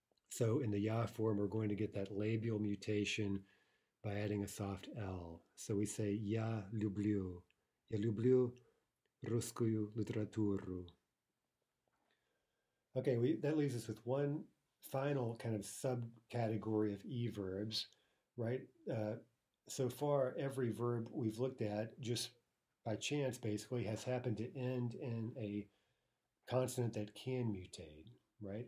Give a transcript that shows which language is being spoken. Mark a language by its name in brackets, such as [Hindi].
[English] So in the я form, we're going to get that labial mutation by adding a soft L. So we say [Russian] я люблю. Я люблю русскую литературу. [English] Okay, that leaves us with one final kind of subcategory of E verbs, right? So far, every verb we've looked at just by chance, basically, has happened to end in a consonant that can mutate, right?